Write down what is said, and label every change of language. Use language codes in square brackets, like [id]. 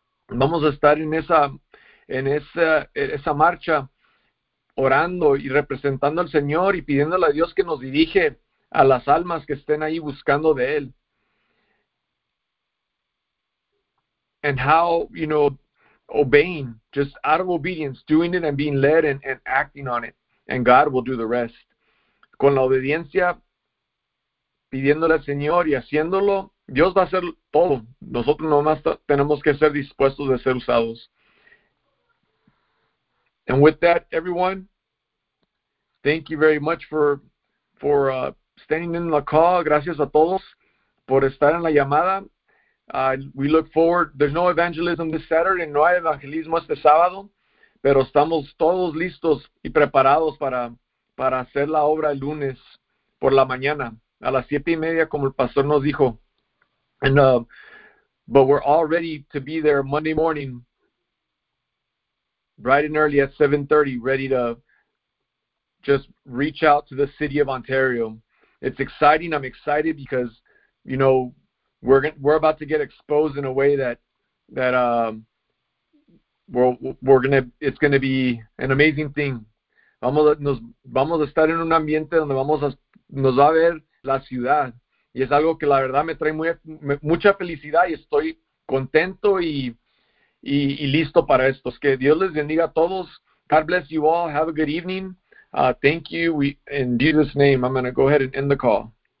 [es] Vamos a estar en esa marcha orando y representando al Señor y pidiéndole a Dios que nos dirige a las almas que estén ahí buscando de Él. [en] And how, you know, obeying, just out of obedience, doing it and being led and acting on it. And God will do the rest. [es] Con la obediencia, pidiéndole al Señor y haciéndolo, Dios va a hacer todo. Nosotros nomás tenemos que ser dispuestos de ser usados. [en] And with that, everyone, thank you very much for standing in the call. [es] Gracias a todos por estar en la llamada. [en] We look forward. There's no evangelism this Saturday. [es] No hay evangelismo este sábado. pero estamos todos listos y preparados para hacer la obra el lunes por la mañana a las 7:30, como el pastor nos dijo. [en] And but we're all ready to be there Monday morning, bright and early at 7:30, ready to just reach out to the city of Ontario. It's exciting. I'm excited because, you know, we're about to get exposed in a way that it's going to be an amazing thing. [es] Vamos a estar en un ambiente donde nos va a ver la ciudad, y es algo que la verdad me trae mucha felicidad, y estoy contento y listo para esto. Es que Dios les bendiga a todos. [en] God bless you all. Have a good evening. Thank you. In Jesus' name, I'm going to go ahead and end the call.